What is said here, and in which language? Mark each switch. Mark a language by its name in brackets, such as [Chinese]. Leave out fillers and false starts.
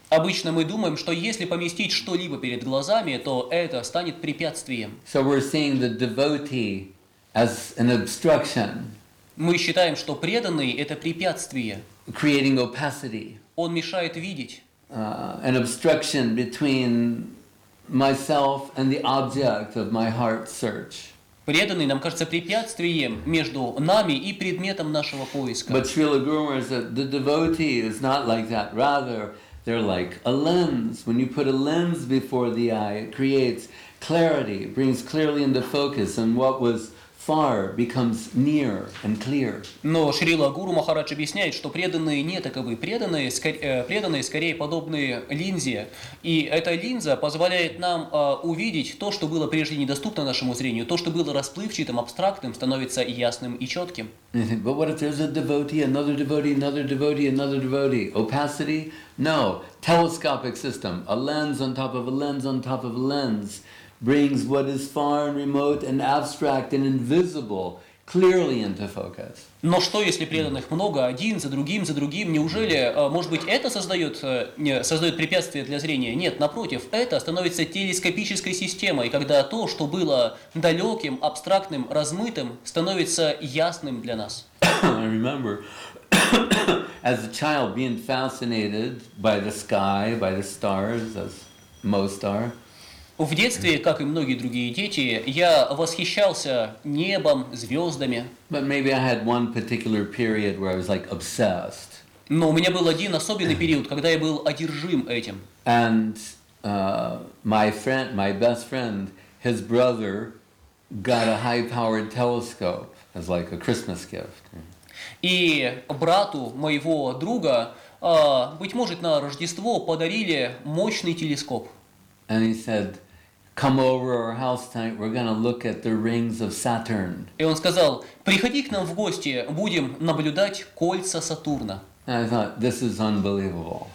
[Russian] Обычно мы думаем, что если поместить что-либо перед глазами, то это станет препятствием. [English] So we're seeing the devotee as an obstruction. [Russian] Мы считаем, что преданный — это препятствие. [English] Creating opacity. [Russian] Он мешает видеть. [English] An obstruction between myself and the object of my heart's search. [Russian] Преданный нам кажется препятствием между нами и предметом нашего поиска. [English] But Srila Guru Maharaj says that the devotee is not like that. Rather, they're like a lens. When you put a lens before the eye, it creates clarity, brings clearly into focus, and what was far becomes near and clear. [Russian] Но Шрила Гуру Махарадж объясняет, что преданные не таковы. Преданные скорее подобные линзе. И эта линза позволяет нам увидеть то, что было прежде недоступно нашему зрению. То, что было расплывчатым, абстрактным, становится ясным и четким. [English] But what if there's a devotee, another devotee, another devotee, another devotee? Opacity? No. Telescopic system. A lens on top of a lens on top of a lens brings what is far and remote and abstract and invisible clearly into focus. [Russian] Но что, если преданных много, один за другим, неужели, может быть, это создает препятствие для зрения? Нет, напротив, это становится телескопической системой, когда то, что было далеким, абстрактным, размытым, становится ясным для нас. [English] I remember, as a child, being fascinated by the sky, by the stars, as most are. [Russian] В детстве, как и многие другие дети, я восхищался небом, звездами. [English] But maybe I had one particular period where I was like obsessed. [Russian] Но у меня был один особенный период, когда я был одержим этим. [English] And my best friend, his brother got a high-powered telescope as like a Christmas gift. [Russian] И брату моего друга, быть может, на Рождество подарили мощный телескоп. [English] And he said, come over our house tonight, we're going to look at the rings of Saturn. [Russian] И он сказал, приходи к нам в гости, будем наблюдать кольца Сатурна. [English] And I thought, this is unbelievable.